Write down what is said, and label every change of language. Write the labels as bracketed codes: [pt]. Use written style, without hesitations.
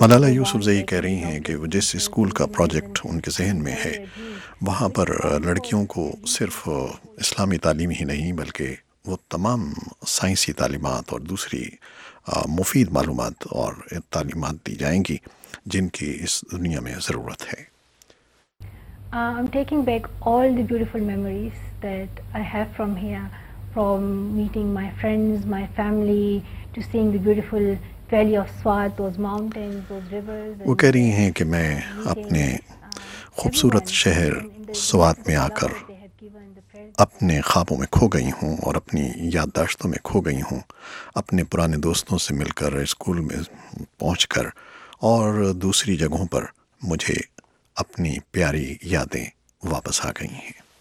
[ur] ملالہ یوسفزئی کہہ رہی ہیں کہ جس اسکول کا پروجیکٹ ان کے ذہن میں ہے وہاں پر لڑکیوں کو صرف اسلامی تعلیم ہی نہیں بلکہ وہ تمام سائنسی تعلیمات اور دوسری مفید معلومات اور تعلیمات دی جائیں گی جن کی اس دنیا میں ضرورت ہے۔ [en] I'm taking back all the beautiful memories that I have from here, from meeting my friends, my family, to seeing the beautiful valley of Swat, those mountains, those rivers. [ur] وہ کہہ رہی ہیں کہ میں اپنے خوبصورت شہر سوات میں آ کر اپنے خوابوں میں کھو گئی ہوں اور اپنی یادداشتوں میں کھو گئی ہوں، اپنے پرانے دوستوں سے مل کر اسکول میں پہنچ کر اور دوسری جگہوں پر مجھے اپنی پیاری یادیں واپس آ گئی ہیں۔